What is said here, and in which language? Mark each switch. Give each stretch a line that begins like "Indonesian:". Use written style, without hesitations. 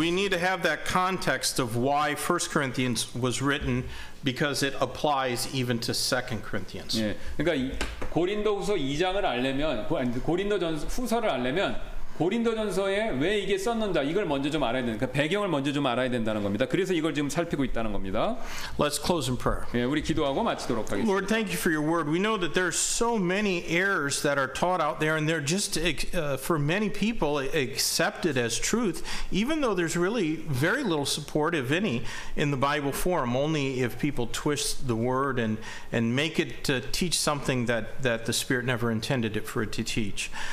English: We need to have that context of why 1 Corinthians was written because it applies even to 2 Corinthians.
Korean: 예, 그러니까 고린도후서 2장을 알려면 고린도전서 후서를 알려면 고린도전서에 왜 이게 썼는지 이걸 먼저 좀 알아야 되는 그 배경을 먼저 좀 알아야 된다는 겁니다. 그래서 이걸 지금 살피고 있다는 겁니다.
English: Let's close in prayer.
Korean: 예, 우리 기도하고 마치도록 하겠습니다.
English: Lord, thank you for your word. We know that there's so many errors that are taught out there and they're just for many people accepted as truth even though there's really very little support if any in the Bible forum only if people twist the word and make it to teach something that the Spirit never intended it for it to teach.